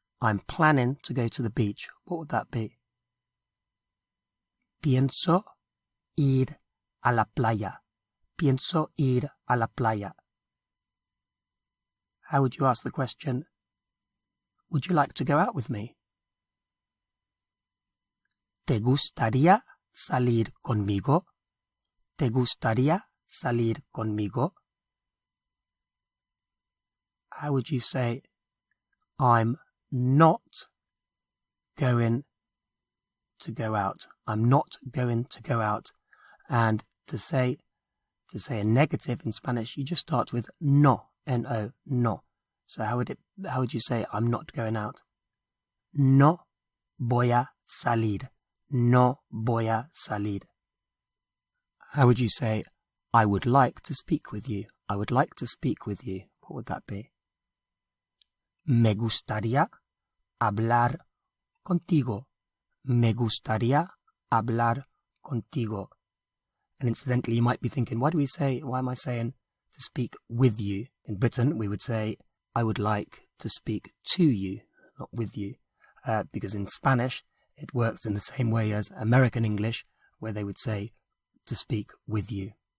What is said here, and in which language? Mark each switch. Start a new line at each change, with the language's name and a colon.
English: I'm planning to go to the beach. What would that be?
Spanish: Pienso ir a la playa. Pienso ir a la playa.
English: How would you ask the question, would you like to go out with me?
Spanish: ¿Te gustaría salir conmigo? ¿Te gustaría salir conmigo?
English: How would you say, I'm not going to go out? I'm not going to go out. And to say a negative in Spanish, you just start with no, N-O, no. So how would you say, I'm not going out?
Spanish: No voy a salir. No voy a salir.
English: How would you say, I would like to speak with you? I would like to speak with you. What would that be?
Spanish: Me gustaría hablar contigo. Me gustaría hablar contigo.
English: And incidentally, you might be thinking, why am I saying to speak with you? In Britain, we would say, I would like to speak to you, not with you. Because in Spanish, it works in the same way as American English, where they would say, to speak with you.